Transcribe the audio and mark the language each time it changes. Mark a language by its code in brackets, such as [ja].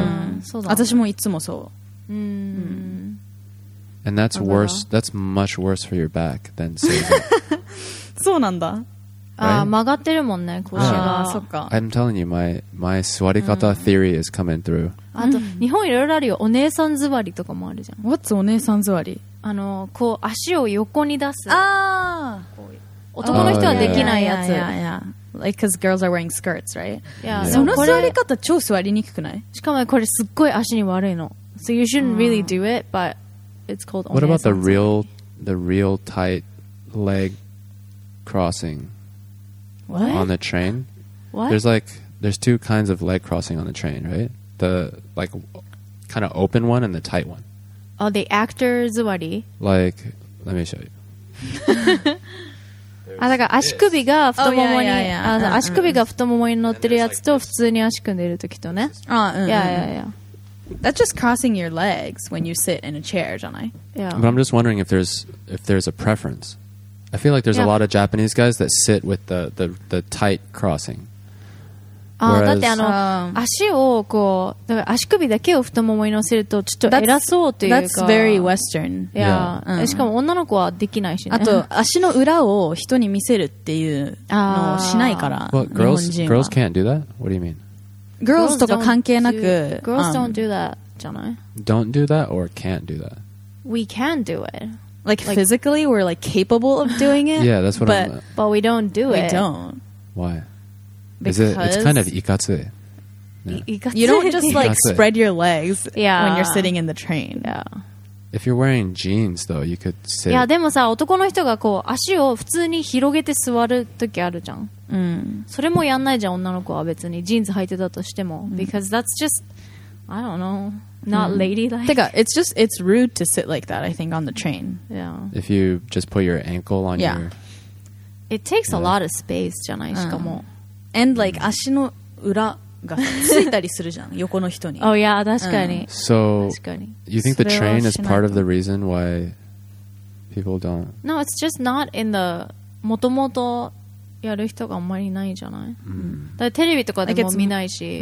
[en] Yeah, so. [ja] 私もいつもそう. [en] And that's worse. That's much worse for your back than seiza. So なんだ. [ja] Ah, 曲がってるもんね腰が. Ah, そっか. [en] I'm telling you, my 座り方 theory is coming through. [ja] あと日本いろいろあるよ。お姉さん座りとかもあるじゃん。 [en] What's お姉さん座り？ [ja] あのこう足を横に出す。ああ。男の人はできないやつ。 [en] Yeah, yeah, yeah. Like, because girls are wearing skirts, right? Yeah. [ja] その座り方超座りにくくない？しかもこれすっごい足に悪いの。 [en] So you shouldn't really do it, but it's called. What about the real tight leg crossing? What? On the train? What? There's two kinds of leg crossing on the train, right? The like kind of open one and the tight one. Oh, the actor zuwari. Like, let me show you. [ja] あ、だから足首が太ももに、足首が太ももに乗ってるやつと普通に足組んでる時とね。あ、 [en] yeah, yeah, yeah. That's just crossing your legs when you sit in a chair, [ja] じゃない? [en] Yeah. But I'm just wondering if there's a preference. I feel like there's a lot of Japanese guys that sit with the tight crossing. Whereas, [ja] だってあの足をこうだから足首だけを太ももに乗せるとちょっと偉そうというか [en] That's very western いや、yeah. [ja] しかも女の子はできないしねあと足の裏を人に見せるっていうのをしないから [en] What, [ja] 日本人は [en] Girls can't do that? What do you mean? [ja] Girls とか関係なく [en] Girls don't do that [ja] じゃない [en] Don't do that or can't do that? We can do it like physically we're like capable of doing it Yeah that's what but, I'm But we don't do we it We don't Why? Because it's kind of ikatsu. Yeah. You don't just like spread your legs when you're sitting in the train. Yeah. If you're wearing jeans, though, you could sit. [ja] Yeah, でもさ、男の人がこう足を普通に広げて座る時あるじゃん。それもやんないじゃん、女の子は別にジーンズ履いてたとしても。 [en] Because that's just, I don't know, not ladylike. てか、it's just, it's rude to sit like that, I think, on the train. Yeah. If you just put your ankle on your... It takes a lot of space, [ja] じゃない、しかも。 [en] And like [ja] 足の裏がついたりするじゃん横の人に。 [en] Oh yeah, 確かに。 [ja] So, 確かに。 [en] You think the train is part of the reason why people don't? No, it's just not in the [ja] もともとやる人があんまりないじゃない。だからテレビとかでも見ないし。